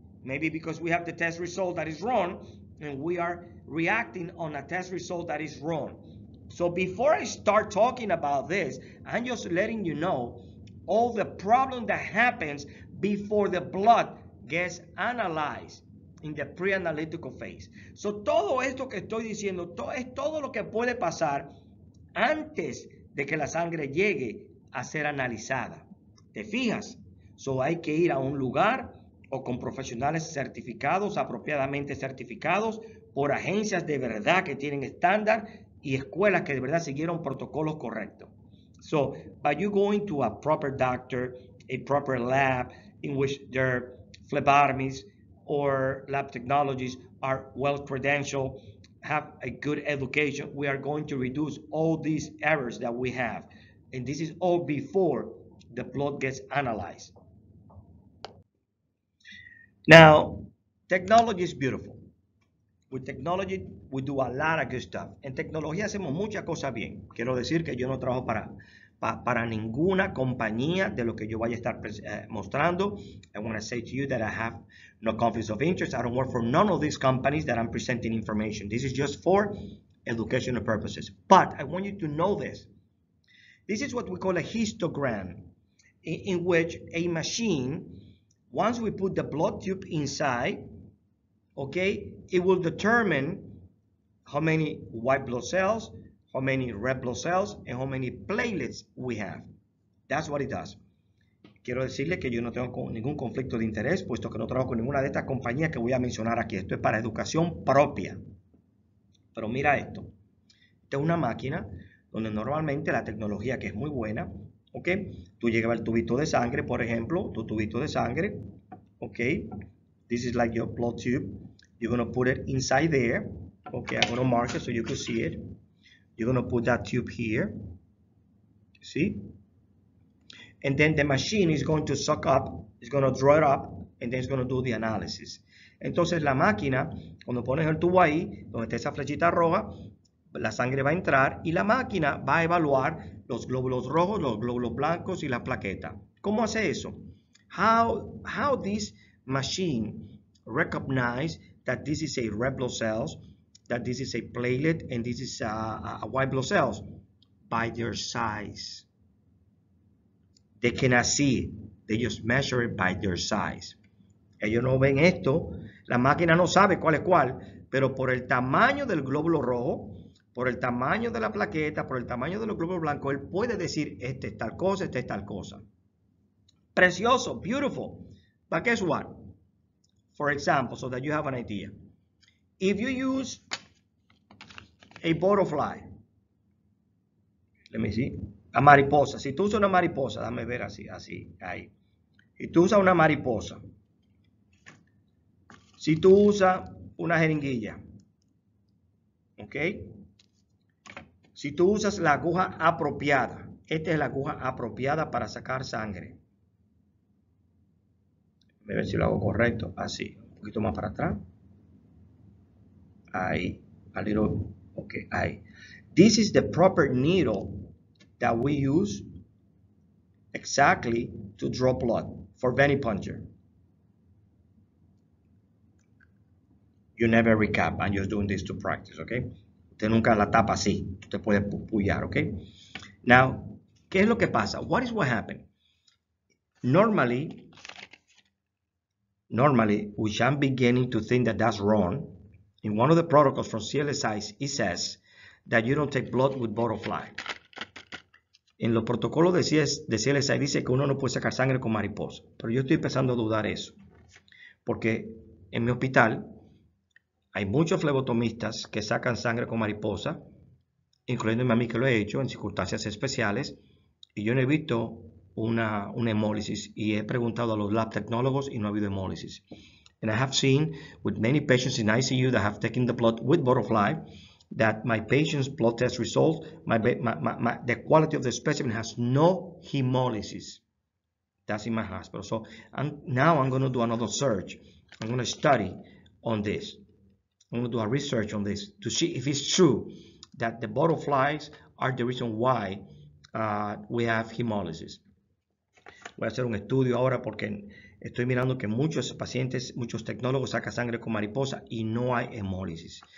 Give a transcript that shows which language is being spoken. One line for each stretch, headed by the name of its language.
English: Maybe because we have the test result that is wrong and we are reacting on a test result that is wrong. So before I start talking about this, I'm just letting you know all the problem that happens before the blood gets analyzed in the pre-analytical phase.
Spanish: So, todo esto que estoy diciendo, es todo lo que puede pasar antes de que la sangre llegue a ser analizada. ¿Te fijas? So, hay que ir a un lugar o con profesionales certificados, apropiadamente certificados, por agencias de verdad que tienen estándar y escuelas que de verdad siguieron protocolos correctos.
English: So, by you going to a proper doctor, a proper lab in which their phlebotomies or lab technologies are well-credentialed, have a good education, we are going to reduce all these errors that we have. And this is all before the blood gets analyzed. Now, technology is beautiful. With technology, we do a lot of good stuff.
Spanish: En tecnología hacemos muchas cosas bien. Quiero decir que yo no trabajo para ninguna compañía de lo que yo vaya a estar mostrando.
English: I want to say to you that I have no conflicts of interest. I don't work for none of these companies that I'm presenting information. This is just for educational purposes. But I want you to know this. This is what we call a histogram, in which a machine, once we put the blood tube inside, okay, it will determine how many white blood cells, how many red blood cells, and how many platelets we have. That's what it does.
Spanish: Quiero decirle que yo no tengo ningún conflicto de interés, puesto que no trabajo con ninguna de estas compañías que voy a mencionar aquí. Esto es para educación propia. Pero mira esto. Esta es una máquina donde normalmente la tecnología, que es muy buena, ¿ok? Tú llevas el tubito de sangre, por ejemplo, tu tubito de sangre, ¿ok?
English: This is like your blood tube. You're going to put it inside there. Okay, I'm going to mark it so you can see it. You're going to put that tube here. See? And then the machine is going to suck up, it's going to draw it up, and then it's going to do the analysis.
Spanish: Entonces la máquina, cuando pones el tubo ahí, donde está esa flechita roja, la sangre va a entrar y la máquina va a evaluar los glóbulos rojos, los glóbulos blancos y la plaqueta. ¿Cómo hace eso?
English: How this machine recognize that this is a red blood cells, that this is a platelet, and this is a white blood cells? By their size. They cannot see it. They just measure it by their size.
Spanish: Ellos no ven esto. La máquina no sabe cuál es cuál, pero por el tamaño del glóbulo rojo, por el tamaño de la plaqueta, por el tamaño de los glóbulos blancos, él puede decir, este es tal cosa, este es tal cosa. Precioso,
English: beautiful. But guess what? For example, so that you have an idea. If you use a butterfly, let me see, a mariposa.
Spanish: Si tú usas una mariposa, dame ver así, así, ahí. Si tú usas una mariposa, si tú usas una jeringuilla, ¿ok? Si tú usas la aguja apropiada, esta es la aguja apropiada para sacar sangre. A ver si lo hago correcto, así, un poquito más para atrás. Ahí,
English: a little, ok,
Spanish: ahí.
English: This is the proper needle that we use exactly to draw blood for venipuncture. You never recap, I'm just doing this to practice, ok?
Spanish: Usted nunca la tapa así, usted puede pullar, ok?
English: Now,
Spanish: ¿qué es lo que pasa?
English: What is what happened? Normally, we shall be beginning to think that that's wrong. In one of the protocols from CLSIs, it says that you don't take blood with butterfly.
Spanish: En los protocolos de CLSI dice que uno no puede sacar sangre con mariposa. Pero yo estoy empezando a dudar eso. Porque en mi hospital hay muchos flebotomistas que sacan sangre con mariposa, incluyéndome a mí que lo he hecho en circunstancias especiales, y yo no he visto una hemólisis, y he preguntado a los lab tecnólogos y no ha habido hemólisis.
English: And I have seen with many patients in ICU that have taken the blood with butterfly that my patient's blood test results, the quality of the specimen has no hemolysis. That's in my hospital. So now I'm going to do another search. I'm going to study on this. I'm going to do a research on this to see if it's true that the butterflies are the reason why we have hemolysis.
Spanish: Voy a hacer un estudio ahora porque estoy mirando que muchos pacientes, muchos tecnólogos sacan sangre con mariposa y no hay hemólisis.